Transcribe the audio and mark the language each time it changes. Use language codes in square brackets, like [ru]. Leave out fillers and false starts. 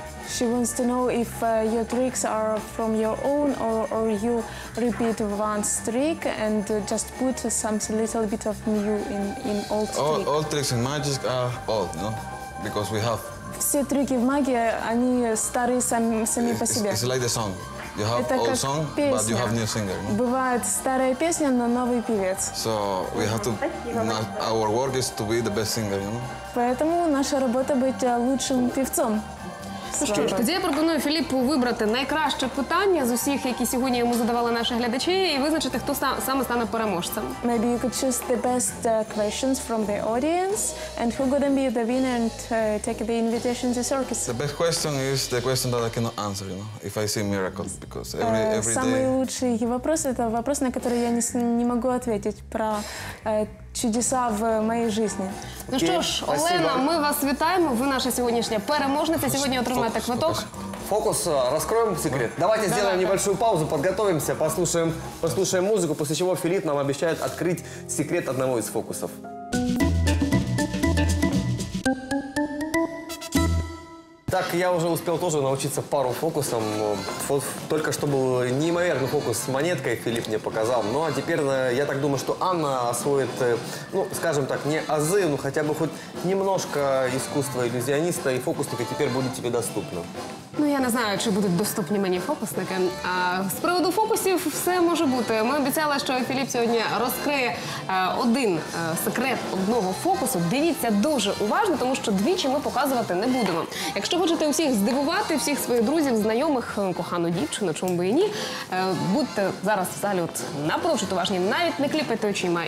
[en] She wants to know if your tricks are from your own or you repeat one trick and just put some little bit of new in old trick. All tricks in magic are old, no? Because we have. [ru] Все трики в магии, они старые сами по себе. [en] It's like the song. You have old song, but you have new singer. [ru] Бывает старая песня, но новый певец. [en] So we have to. Our work is to be the best singer, you know. [ru] Поэтому наша работа быть лучшим певцом. [uk] Що ж, тоді я пропоную Філіппу вибрати найкраще питання з усіх, які сьогодні йому задавали наші глядачі, і визначити, хто саме стане переможцем. [en] Maybe you could choose the best questions from the audience, and who gonna be the winner and take the invitation to circus. The best question is the question that I cannot answer, you know, if I see miracle, because every day... [ru] Самый лучший вопрос – это вопрос, на который я не могу ответить про... чудеса в моей жизни. Ну что ж, [uk] Олена, [ru] мы вас [uk] вітаємо. Ви наша сьогоднішня переможниця. Сьогодні отримаєте квиток. [ru] Фокус, раскроем секрет. Давайте сделаем небольшую паузу, подготовимся, послушаем музыку, после чего Филипп нам обещает открыть секрет одного из фокусов. Так, я уже успел тоже научиться пару фокусам. Вот только что был неимоверный фокус с монеткой, Филипп мне показал. Ну а теперь, я так думаю, что Анна освоит, ну, скажем так, не азы, но хотя бы хоть немножко искусства иллюзиониста, и фокусники теперь будут тебе доступны. [uk] Ну, я не знаю, чи будуть доступні мені фокусники. А з приводу фокусів все може бути. Ми обіцяли, що Філіп сьогодні розкриє один секрет одного фокусу. Дивіться дуже уважно, тому що двічі ми показувати не будемо. Якщо хочете усіх здивувати, всіх своїх друзів, знайомих, кохану дівчину, чому би і ні, будьте зараз в залі от напрочуд уважні, навіть не кліпайте очима.